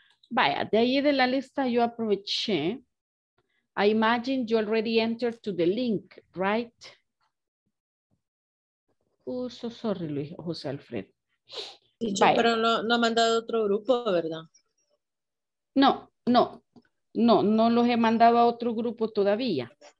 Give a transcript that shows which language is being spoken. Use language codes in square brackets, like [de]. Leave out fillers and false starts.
[es] Vaya, de ahí de la lista yo aproveché. [en] I imagine you already entered to the link, right? Oh, so sorry, Luis, José Alfredo. [es] Sí, pero no ha mandado otro grupo, ¿verdad? No los he mandado a otro grupo todavía.